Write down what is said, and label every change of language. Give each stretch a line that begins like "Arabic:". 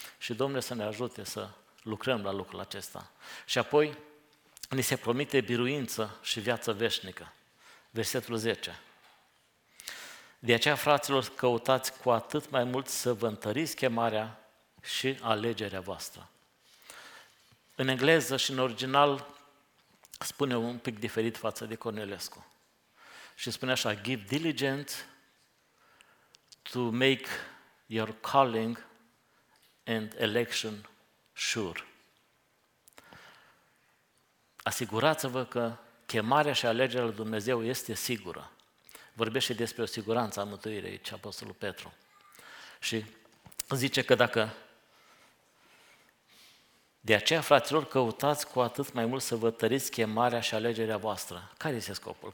Romanian: Și Domnule să ne ajute să lucrăm la lucrul acesta. Și apoi ni se promite biruință și viață veșnică. Versetul 10. De aceea, fraților, căutați cu atât mai mult să vă întăriți chemarea și alegerea voastră. În engleză și în original spune un pic diferit față de Cornelescu. Și spune așa,
English: give diligence to make your calling and election sure.
Romanian: Asigurați-vă că chemarea și alegerea lui Dumnezeu este sigură. Vorbește despre o siguranță a mântuirii aici, Apostolul Petru. Și zice că dacă... De aceea, fraților, căutați cu atât mai mult să vă tăriți chemarea și alegerea voastră. Care este scopul?